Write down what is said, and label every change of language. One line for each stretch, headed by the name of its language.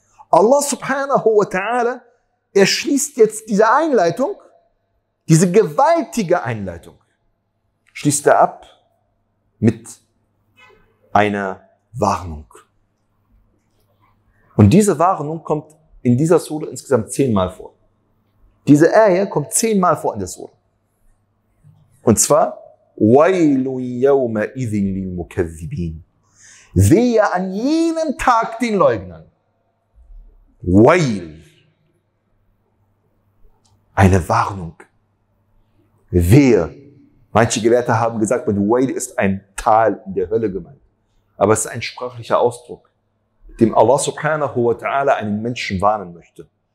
German: Allah subhanahu wa ta'ala erschließt jetzt diese Einleitung, diese gewaltige Einleitung, schließt er ab mit einer Warnung. Und diese Warnung kommt in dieser Sure insgesamt 10-mal vor. Diese Ayah kommt 10-mal vor in der Sure. Und zwar,
Arabic: وَيْلٌ يَوْمَئِذٍ لِلْمُكَذِّبِينَ.
German: Wehe an jenem Tag den Leugnern.
Arabic: وَيْل.
German: Eine Warnung. Wehe. Manche Gelehrte haben gesagt, mit وَيْل ist ein Tal in der Hölle gemeint. Aber es ist ein sprachlicher Ausdruck, dem Allah subhanahu wa ta'ala einen Menschen warnen möchte.